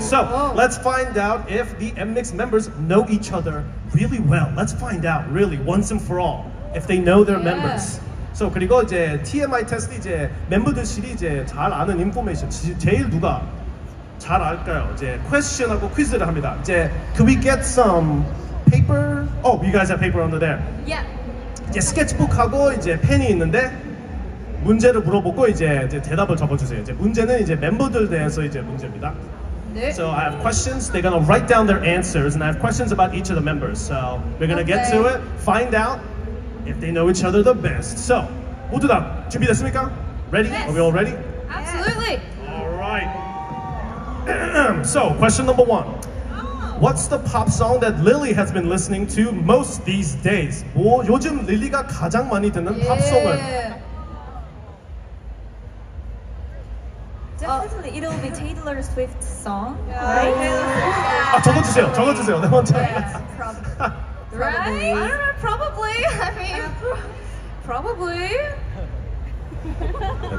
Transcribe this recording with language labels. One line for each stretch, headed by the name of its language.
English: So let's find out if the NMIXX members know each other really well. Let's find out really once and for all if they know their members.
Korean: So 그리고 이제 TMI 테스트 이제 멤버들끼리 이제 잘 아는 인포메이션 제일 누가 잘 알까요? 이제 퀘스천하고 퀴즈를 합니다.
English: 이제 can we get some paper? Oh, you guys have paper under there. Yeah.
Korean: 이제 스케치북하고 이제 펜이 있는데. 문제를 물어보고 이제 대답을 적어주세요. 이제 문제는 이제 멤버들 대해서 이제 문제입니다. 네.
English: So I have questions. They're gonna write down their answers, and I have questions about each of the members. So we're gonna get to it. Find out if they know each other the best.
Korean: So 모두 다 준비됐습니까?
English: Ready? Yes. Are we all ready? Absolutely. All right. So question number one. What's the pop song that Lily has been listening to most these days?
Korean: 오, 요즘 릴리가 가장 많이 듣는 팝송은?
English: It'll be Taylor Swift's song. Yeah. Right?
Korean: Yeah. 아, 적어주세요. 적어주세요. 네 번째.
English: Yeah, probably. Right? I don't know. Probably. I mean, probably.